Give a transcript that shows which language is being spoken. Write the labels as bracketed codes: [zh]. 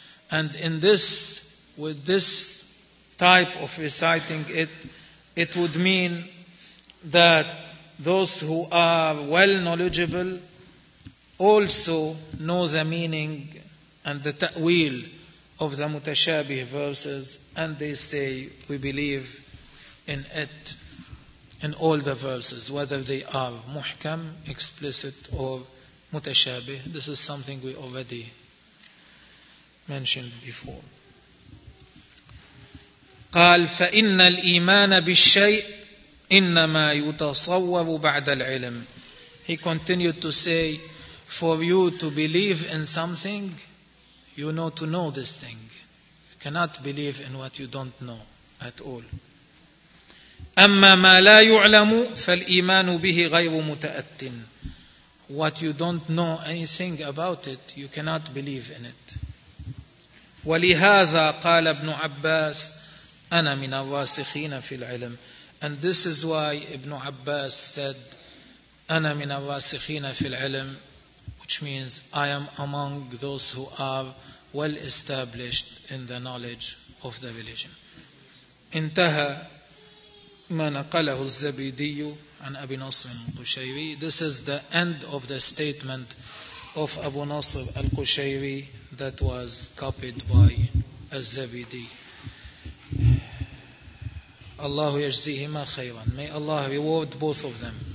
[en] And in this, with this type of reciting it, it would mean that those who are well knowledgeable also know the meaning and the ta'wil of the mutashabih verses, and they say, we believe in it, in all the verses, whether they are muhkam, explicit, or mutashabih. This is something we already mentioned before. [ar] قال فإن الإيمان بالشيء إنما يتصور بعد العلم. [en] He continued to say, for you to believe in something, you know to know this thing. You cannot believe in what you don't know at all. [ar] أما ما لا يعلم فالإيمان به غير متأت. [en] What you don't know anything about it, you cannot believe in it. [ar] ولهذا قال ابن عباس أنا من الراسخين في العلم. [en] And this is why Ibn Abbas said, [ar] أنا من الراسخين في العلم, [en] which means I am among those who are well established in the knowledge of the religion. [ar] انتهى ما نقله الزبيدي عن أبي نصر القشيري. [en] This is the end of the statement of Abu Nasr al-Qushayri that was copied by al-Zabidi. [ar] Allahu yajzihima khayran. [en] May Allah reward both of them.